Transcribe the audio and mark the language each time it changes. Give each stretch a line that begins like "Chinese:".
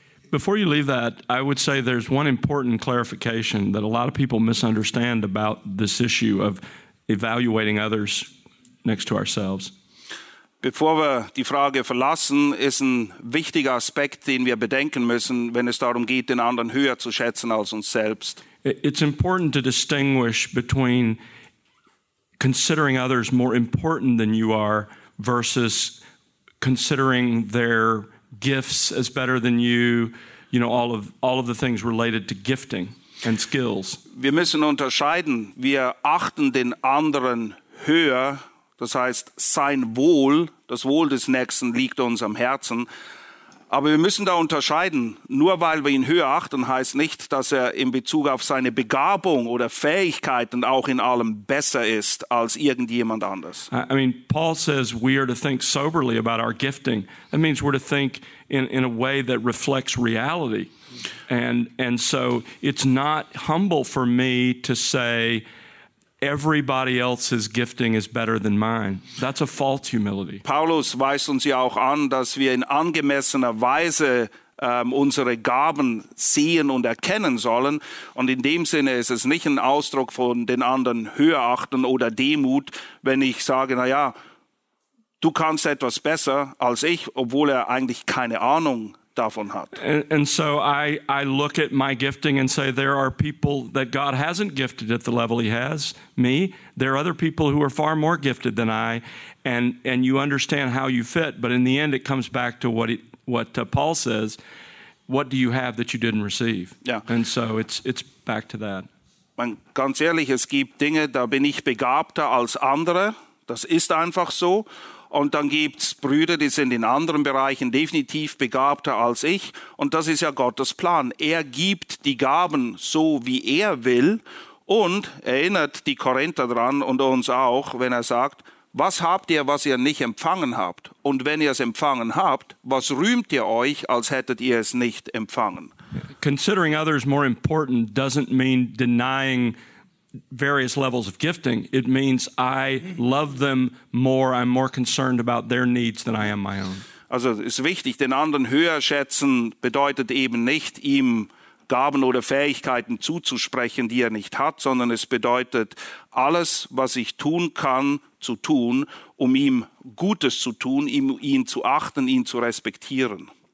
English: Before you leave that, I would say there's one important clarification that a lot of people misunderstand about this issue of evaluating others next to ourselves.
German: Bevor wir die Frage verlassen, ist ein wichtiger Aspekt, den wir bedenken müssen, wenn es darum geht, den anderen höher zu schätzen als uns selbst.
English: It's important to distinguish between considering others more important than you are versus considering their gifts as better than you, you know, all of the things related to gifting. and skills.
German: Wir müssen unterscheiden. Wir achten den anderen höher, das heißt sein Wohl, das Wohl des Nächsten liegt uns am Herzen. Aber wir müssen da unterscheiden. Nur weil wir ihn höher achten, heißt nicht, dass er in Bezug auf seine Begabung oder Fähigkeiten auch in allem besser ist als irgendjemand anders.
English: I mean, Paul says we are to think soberly about our gifting. That means we're to think in a way that reflects reality. And so it's not humble for me to say everybody else's gifting is better than mine. That's a false humility.
German: Paulus weist uns ja auch an, dass wir in angemessener Weise unsere Gaben sehen und erkennen sollen. Und in dem Sinne ist es nicht ein Ausdruck von den anderen höher achten oder Demut, wenn ich sage, naja, du kannst etwas besser als ich, obwohl er eigentlich keine Ahnung davon hat.
English: And so I look at my gifting and say there are people that God hasn't gifted at the level he has me. There are other people who are far more gifted than I, and you understand how you fit, but in the end it comes back to what Paul says, what do you have that you didn't receive? Yeah. And so it's back to that.
German: Man, ganz ehrlich, es gibt Dinge, da bin ich begabter als andere. Das ist einfach so. Und dann gibt's Brüder, die sind in anderen Bereichen definitiv begabter als ich. Und das ist ja Gottes Plan. Er gibt die Gaben so, wie er will. Und erinnert die Korinther dran und uns auch, wenn er sagt, was habt ihr, was ihr nicht empfangen habt? Und wenn ihr es empfangen habt, was rühmt ihr euch, als hättet ihr es nicht empfangen?
English: Considering others more important doesn't mean denying various levels of gifting. It means I love them more. I'm more concerned about their needs than I am my own.
German: Also, ist wichtig, den anderen höher schätzen bedeutet eben nicht, ihm Gaben oder Fähigkeiten zuzusprechen, die er nicht hat, sondern es bedeutet, alles, was ich tun kann, zu tun, um ihm Gutes zu tun, ihn zu achten, ihn zu respektieren.